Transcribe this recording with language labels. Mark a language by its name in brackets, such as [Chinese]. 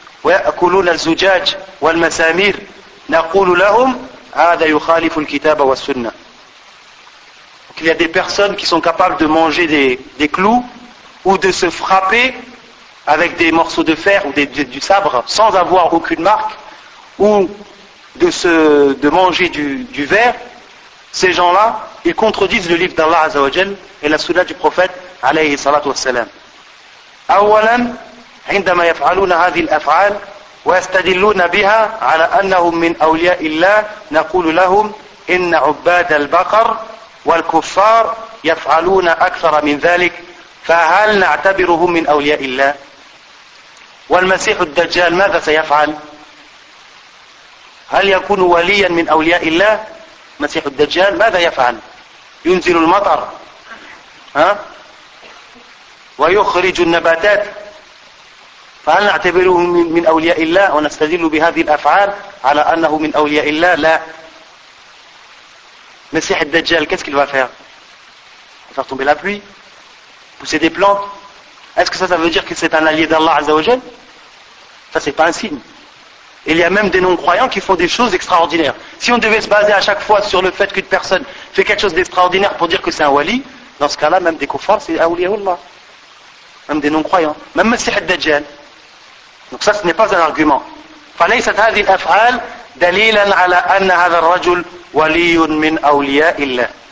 [Arabic] ويأكلون الزجاج والمسامير نقول لهم هذا يخالف الكتاب والسنة. [French] Il y a des personnes qui sont capables de manger des clous ou de se frapper avec des morceaux de fer ou du sabre sans avoir aucune marque ou de manger du verre. Ces gens-là, ils contredisent le livre d'Allah Azza wa Jal et la sunna du prophète alayhi salatu wassalam. [Arabic] أولاً عندما يفعلون هذه الأفعال ويستدلون بها على أنهم من أولياء الله نقول لهم إن عباد البقر والكفار يفعلون أكثر من ذلك فهل نعتبرهم من أولياء الله والمسيح الدجال ماذا سيفعل هل يكون وليا من أولياء الله مسيح الدجال ماذا يفعل ينزل المطر ها؟ ويخرج النباتات فهل نعتبره من أولياء الله ونستدل بهذه الأفعال على أنه من أولياء الله لا [French] مسيح الدجال qu'est-ce qu'il va faire il va faire tomber la pluie pousser des plantes est-ce que ça veut dire que c'est un allié d'Allah عز وجل ça c'est pas un signe. Il y a même des non-croyants qui font des choses extraordinaires. Si on devait se baser à chaque fois sur le fait qu'une personne fait quelque chose d'extraordinaire pour dire que c'est un wali, dans ce cas-là même des kuffars c'est awliya Allah, même des non-croyants, même مسيح الدجال. Donc ça, ce n'est pas un argument. [Arabic] فَلَيْسَتْ هَذِي الْأَفْعَالِ دَلِيلًا عَلَىٰ أَنَّ هَذَا الرَّجُلْ وَلِيٌ مِنْ أَوْلِيَاءِ اللَّهِ.